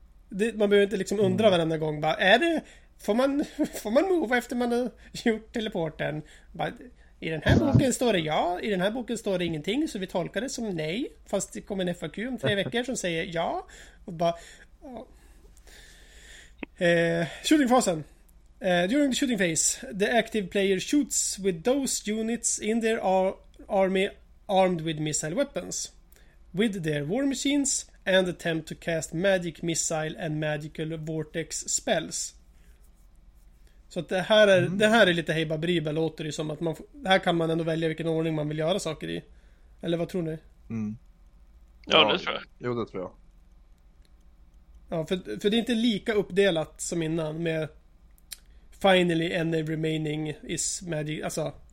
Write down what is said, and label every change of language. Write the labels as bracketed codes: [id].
[sv] Man behöver inte liksom undra varenda gång bara, är det... Får man move efter man har gjort teleporten? I den här boken står det ja, i den här boken står det ingenting, så vi tolkar det som nej. Fast det kommer en FAQ om 3 veckor som säger ja. Och bara... shootingfasen. [en] During the shooting phase, the active player shoots with those units in their army armed with missile weapons, with their war machines, and attempt to cast magic missile and magical vortex spells. [sv] Så att det här är det här är lite hejba bribel, låter det som att man här kan man ändå välja vilken ordning man vill göra saker i. Eller vad tror ni? Mm. Ja, det tror jag. Jo, det tror jag. Ja, för det är inte lika uppdelat som innan med [en] finally any remaining is magic, [sv] alltså.